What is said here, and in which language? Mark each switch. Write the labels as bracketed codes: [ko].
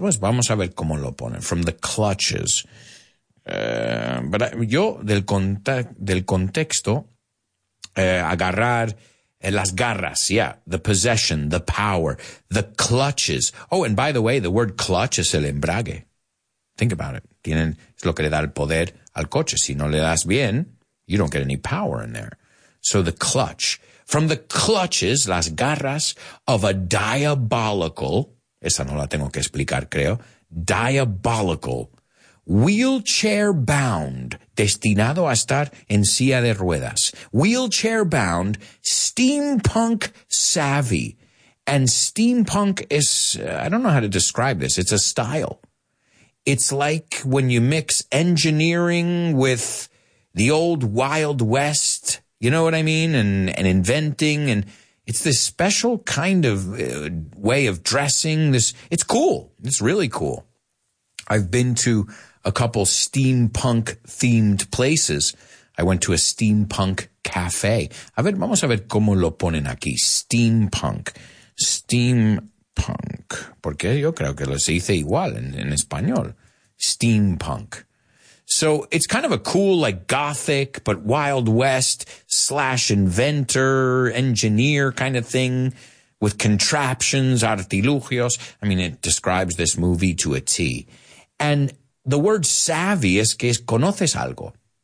[es] Pues vamos a ver cómo lo ponen. [en] From the clutches. But [es] yo, del contexto, agarrar las garras. [en] Yeah, the possession, the power, the clutches. Oh, and by the way, the word clutch is [es] el embrague. [en] Think about it. [es] Tienen, es lo que le da el poder al coche. Si no le das bien, [en] you don't get any power in there. So the clutch. From the clutches, [es] las garras, [en] of a diabolical, [es] esa no la tengo que explicar, creo, [en] diabolical, wheelchair-bound, [es] destinado a estar en silla de ruedas, [en] wheelchair-bound, steampunk-savvy, and steampunk is, I don't know how to describe this, it's a style. It's like when you mix engineering with the old Wild West. You know what I mean? And inventing. And it's this special kind of way of dressing. This, it's cool. It's really cool. I've been to a couple steampunk themed places. I went to a steampunk cafe. [es] A ver, vamos a ver cómo lo ponen aquí. Steampunk. Steampunk. Porque yo creo que lo se dice igual en español. [en] Steampunk. So it's kind of a cool, like, gothic, but Wild West slash inventor, engineer kind of thing with contraptions, artilugios. I mean, it describes this movie to a T. And the word savvy [es] es que es conoces algo.